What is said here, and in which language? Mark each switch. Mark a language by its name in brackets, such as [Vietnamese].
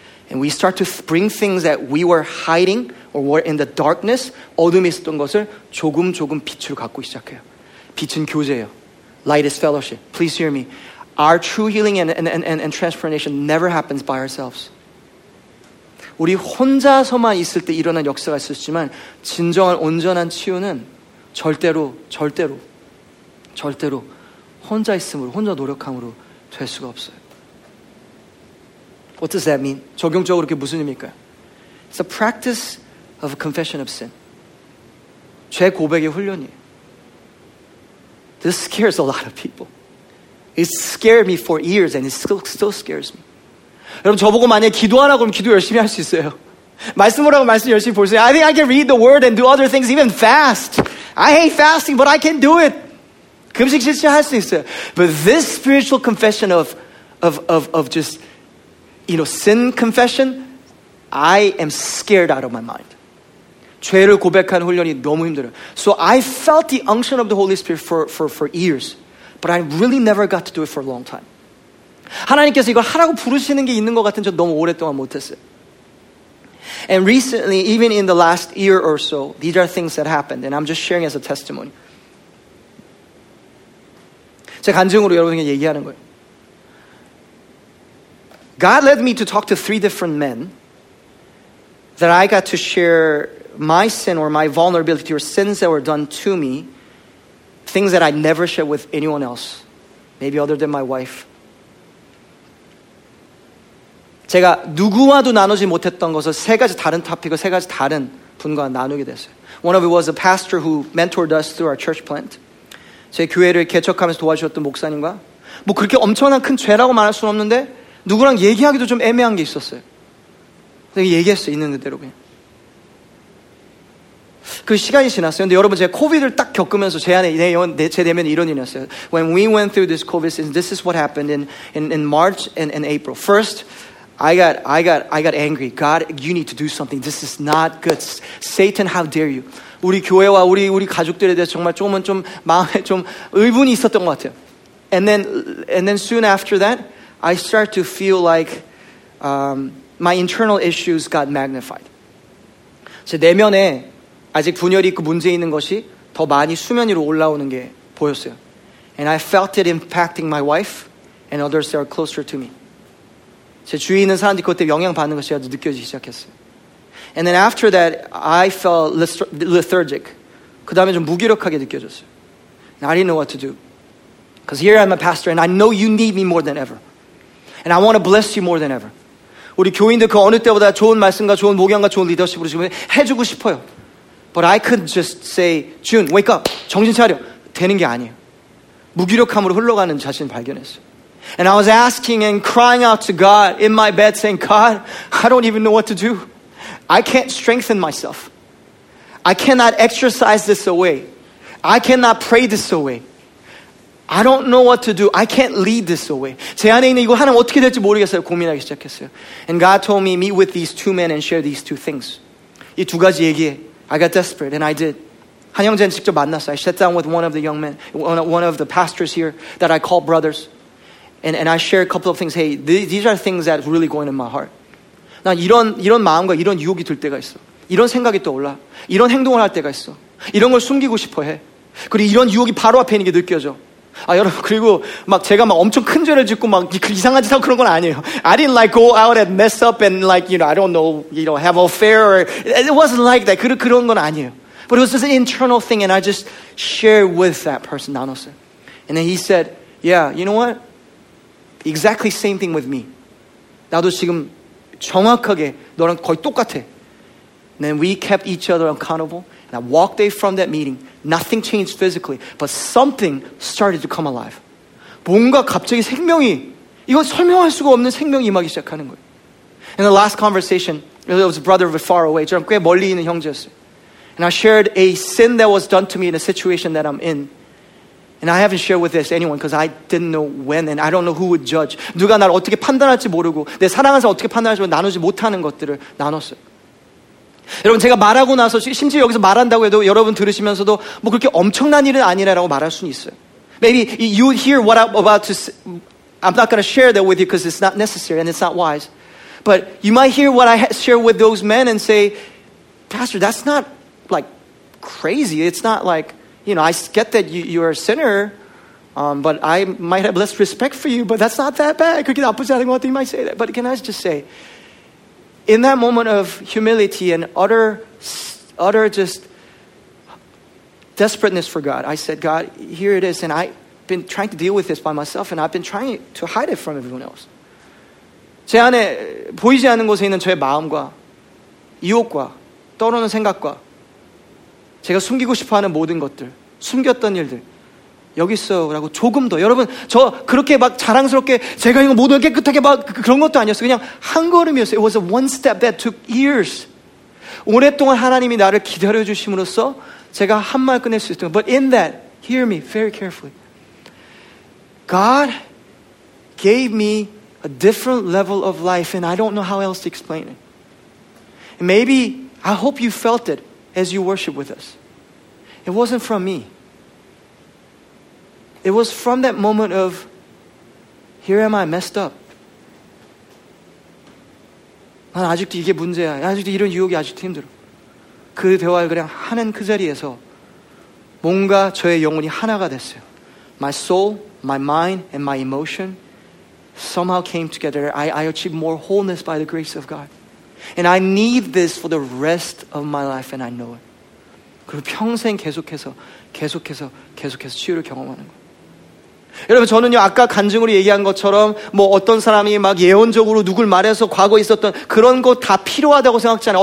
[English] And we start to bring things that we were hiding or were in the darkness, [Korean] 어둠에 있었던 것을 조금 조금 빛으로 갖고 시작해요. 빛은 교제예요. [English] Light is fellowship. Please hear me. Our true healing and transformation never happens by ourselves. [Korean] 우리 혼자서만 있을 때 일어난 역사가 있었지만 진정한 온전한 치유는 절대로 절대로 절대로 혼자 있음으로 혼자 노력함으로 될 수가 없어요. [English] What does that mean? [Korean] 적용적으로 그게 무슨 의미일까요? [English] It's a practice of a confession of sin. [Korean] 죄 고백의 훈련이에요. [English] This scares a lot of people. It scared me for years and it still scares me. [Korean] 여러분 저보고 만약에 기도하라고 그러면 기도 열심히 할 수 있어요. 말씀 보라고 말씀 열심히 볼 수 있어요. [English] I think I can read the word and do other things, even fast. I hate fasting, but I can do it. [Korean] 금식 실천 할 수 있어요. [English] But this spiritual confession of just, you know, sin confession, I am scared out of my mind. [Korean] 죄를 고백하는 훈련이 너무 힘들어요. [English] So I felt the unction of the Holy Spirit for years, but I really never got to do it for a long time. [Korean] 하나님께서 이걸 하라고 부르시는 게 있는 것 같은데 저 너무 오랫동안 못했어요. [English] And recently, even in the last year or so, these are things that happened, and I'm just sharing as a testimony. [Korean] 제가 간증으로 여러분에게 얘기하는 거예요. [English] God led me to talk to three different men that I got to share my sin or my vulnerability or sins that were done to me, things that I never shared with anyone else, maybe other than my wife. [Korean] 제가 누구와도 나누지 못했던 것을 세 가지 다른 토픽을 세 가지 다른 분과 나누게 됐어요. [English] One of it was a pastor who mentored us through our church plant. [Korean] 제 교회를 개척하면서 도와주셨던 목사님과 뭐 그렇게 엄청난 큰 죄라고 말할 수는 없는데 누구랑 얘기하기도 좀 애매한 게 있었어요. 얘기했어요. 있는 그대로 그냥. 그 시간이 지났어요. 근데 여러분 제가 코비드를 딱 겪으면서 제 안에 제 내면에 이런 일이 났어요. [English] When we went through this COVID, this is what happened in March and April. First, I got angry. God, you need to do something. This is not good. Satan, how dare you? [Korean] 우리 교회와 우리 가족들에 대해서 정말 조금은 좀 마음에 좀 의분이 있었던 것 같아요. [English] And then soon after that, I start to feel like my internal issues got magnified. [Korean] 제 내면에 아직 분열이 있고 문제 있는 것이 더 많이 수면 위로 올라오는 게 보였어요. [English] And I felt it impacting my wife and others that are closer to me. [Korean] 제 주위에 있는 사람들이 그것 때문에 영향받는 것이 아주 느껴지기 시작했어요. [English] And then after that, I felt lethargic. [Korean] 그 다음에 좀 무기력하게 느껴졌어요. [English] And I didn't know what to do. Because here I'm a pastor and I know you need me more than ever. And I want to bless you more than ever. [Korean] 우리 교인들 그 어느 때보다 좋은 말씀과 좋은 목양과 좋은 리더십으로 지금 해주고 싶어요. [English] But I couldn't just say, June, wake up. [Korean] 정신 차려. 되는 게 아니에요. 무기력함으로 흘러가는 자신을 발견했어요. [English] And I was asking and crying out to God in my bed saying, God, I don't even know what to do. I can't strengthen myself. I cannot exercise this away. I cannot pray this away. I don't know what to do. I can't lead this away. [Korean] 제 안에 있는 이거 하나 어떻게 될지 모르겠어요. 고민하기 시작했어요. [English] And God told me, meet with these two men and share these two things. [Korean] 이 두 가지 얘기해. [English] I got desperate and I did. [Korean] 한 형제는 직접 만났어요. [English] I sat down with one of the young men, one of the pastors here that I call brothers. And I shared a couple of things. Hey, these are things that are really going in my heart. [Korean] 난 이런 마음과 이런 유혹이 들 때가 있어. 이런 생각이 떠올라. 이런 행동을 할 때가 있어. 이런 걸 숨기고 싶어 해. 그리고 이런 유혹이 바로 앞에 있는 게 느껴져. 아 여러분 그리고 막 제가 막 엄청 큰 죄를 짓고 막 이상한 짓 하고 그런 건 아니에요. [English] I didn't like go out and mess up and like you know I don't know you know have an affair or it wasn't like that. [Korean] 그런 건 아니에요. [English] But it was just an internal thing and I just shared with that person [Korean] 나눴어요. [English] And then he said, "Yeah, you know what? Exactly same thing with me. [Korean] 나도 지금 정확하게 너랑 거의 똑같아." [English] And then we kept each other accountable. And I walked away from that meeting. Nothing changed physically, but something started to come alive. [Korean] 뭔가 갑자기 생명이, 이건 설명할 수가 없는 생명이 임하기 시작하는 거예요. [English] In the last conversation, it was a brother far away. [Korean] 저랑 꽤 멀리 있는 형제였어요. [English] And I shared a sin that was done to me in a situation that I'm in. And I haven't shared with this anyone because I didn't know when and I don't know who would judge. [Korean] 누가 나를 어떻게 판단할지 모르고 내 사랑하는 사람 어떻게 판단할지 모르고 나누지 못하는 것들을 나눴어요. 여러분 제가 말하고 나서 심지어 여기서 말한다고 해도 여러분 들으시면서도 뭐 그렇게 엄청난 일은 아니라고 말할 수는 있어요. [English] Maybe you hear what I'm about to say. I'm not going to share that with you because it's not necessary and it's not wise. But you might hear what I share with those men and say, Pastor, that's not like crazy. It's not like, you know, I get that you're a sinner, but I might have less respect for you, but that's not that bad. [Korean] 그렇게 나쁘지 않은 것 같아. [English] You might say that. But can I just say, in that moment of humility and utter just desperateness for God, I said, God, here it is. And I've been trying to deal with this by myself, and I've been trying to hide it from everyone else. [Korean] 제 안에 보이지 않는 곳에 있는 저의 마음과 유혹과 떠오르는 생각과 제가 숨기고 싶어하는 모든 것들, 숨겼던 일들, 여기 있어라고 조금 더 여러분 저 그렇게 막 자랑스럽게 제가 이거 모두 깨끗하게 막 그런 것도 아니었어요. 그냥 한 걸음이었어요. [English] It was a one step that took years. [Korean] 오랫동안 하나님이 나를 기다려주심으로써 제가 한 말 끝낼 수 있었던 것. [English] But in that, hear me very carefully. God gave me a different level of life and I don't know how else to explain it. And maybe, I hope you felt it as you worship with us. It wasn't from me. It was from that moment of, here am I, messed up. [Korean] 난 아직도 이게 문제야. 아직도 이런 유혹이 아직도 힘들어. 그 대화를 그냥 하는 그 자리에서 뭔가 저의 영혼이 하나가 됐어요. [English] My soul, my mind, and my emotion somehow came together. I achieved more wholeness by the grace of God. And I need this for the rest of my life, and I know it. [Korean] 그리고 평생 계속해서 치유를 경험하는 거예요. 여러분 저는요 아까 간증으로 얘기한 것처럼 뭐 어떤 사람이 막 예언적으로 누굴 말해서 과거에 있었던 그런 거 다 필요하다고 생각지 않아요.